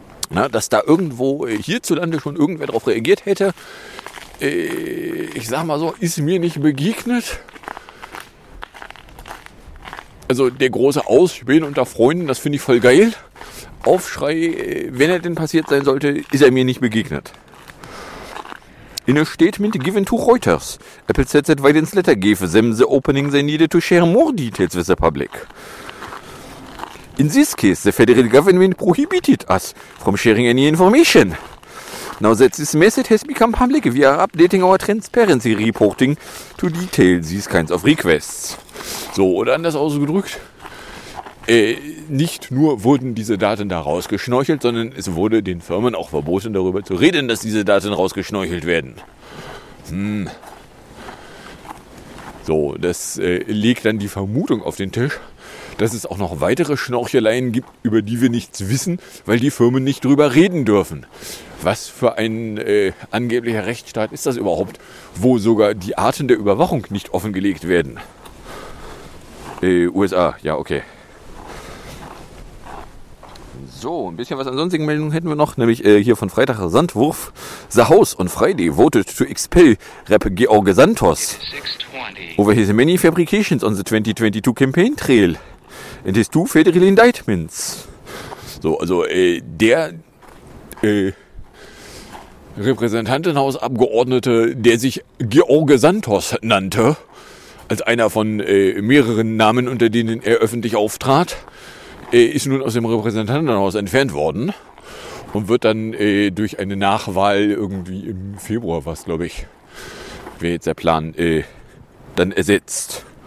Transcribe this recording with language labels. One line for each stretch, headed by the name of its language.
German: Na, dass da irgendwo hierzulande schon irgendwer drauf reagiert hätte, ich sag mal so, ist mir nicht begegnet. Also der große Ausspähen unter Freunden, das finde ich voll geil. Aufschrei, wenn er denn passiert sein sollte, ist er mir nicht begegnet.
English: In a statement given to Reuters, Apple said that Wyden's letter gave them the opening they needed to share more details with the public. In this case, the federal government prohibited us from sharing any information. Now that this message has become public, we are updating our transparency reporting to detail these kinds of requests.
German: So, oder anders ausgedrückt. Nicht nur wurden diese Daten da rausgeschnorchelt, sondern es wurde den Firmen auch verboten, darüber zu reden, dass diese Daten rausgeschnorchelt werden. Hm. So, das legt dann die Vermutung auf den Tisch, dass es auch noch weitere Schnorcheleien gibt, über die wir nichts wissen, weil die Firmen nicht drüber reden dürfen. Was für ein angeblicher Rechtsstaat ist das überhaupt, wo sogar die Arten der Überwachung nicht offengelegt werden? USA, ja, okay. So, ein bisschen was an sonstigen Meldungen hätten wir noch, nämlich hier von Freitag Sandwurf.
English: The House on Friday voted to expel Rep. George Santos over his many fabrications on the 2022 campaign trail and his two federal indictments.
German: So, also der Repräsentantenhausabgeordnete, der sich George Santos nannte, als einer von mehreren Namen, unter denen er öffentlich auftrat, ist nun aus dem Repräsentantenhaus entfernt worden und wird dann durch eine Nachwahl irgendwie im Februar, was glaube ich, wäre jetzt der Plan, dann ersetzt.